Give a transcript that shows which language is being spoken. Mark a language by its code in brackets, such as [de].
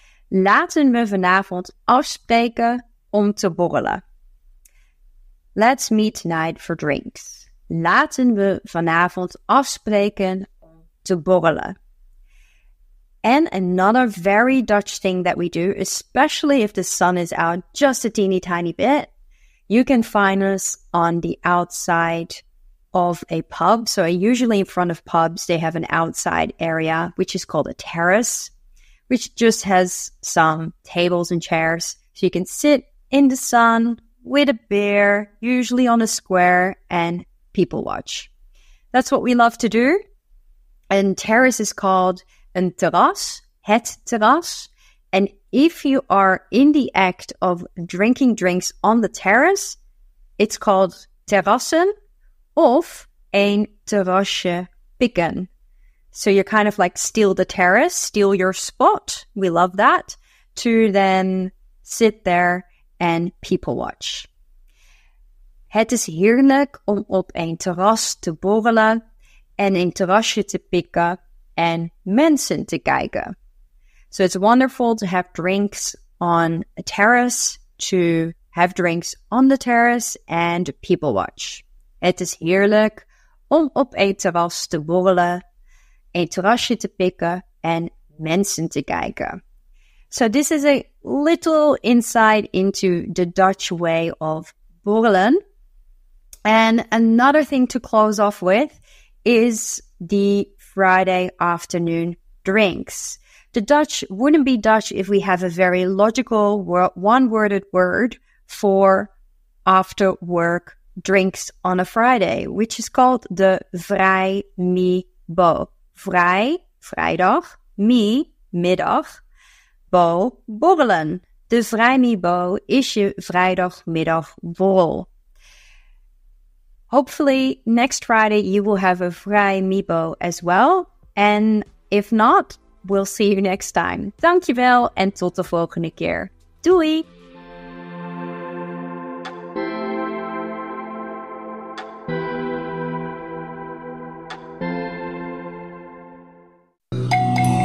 [nl] Laten we vanavond afspreken om te borrelen. [en] Let's meet tonight for drinks. [nl] Laten we vanavond afspreken om te borrelen. [en] And another very Dutch thing that we do, especially if the sun is out just a teeny tiny bit, you can find us on the outside of a pub. So usually in front of pubs, they have an outside area, which is called a terrace, which just has some tables and chairs. So you can sit in the sun with a beer, usually on a square, and people watch. That's what we love to do. And terrace is called een terras, het terras. And if you are in the act of drinking drinks on the terrace, it's called terrassen. [nl] Of een terrasje pikken. [en] So you kind of like steal the terrace, steal your spot. We love that. To then sit there and people watch. [nl] Het is heerlijk om op een terras te borrelen en een terrasje te pikken en mensen te kijken. [en] So it's wonderful to have drinks on a terrace, to have drinks on the terrace and people watch. [nl] Het is heerlijk om op een terras te borrelen, een terrasje te pikken en mensen te kijken. [en] So this is a little insight into the Dutch way of borrelen. And another thing to close off with is the Friday afternoon drinks. The Dutch wouldn't be Dutch if we have a very logical one-worded word for after work drinks on a Friday, which is called the vrijmiddag. [nl] Vrij, vrijdag, mi, middag, bo, borrelen. De vrijmiddag is je vrijdagmiddag borrel. [en] Hopefully next Friday you will have a vrijmiddag as well. And if not, we'll see you next time. [nl] Dankjewel en tot de volgende keer. Doei! [en] Thank you.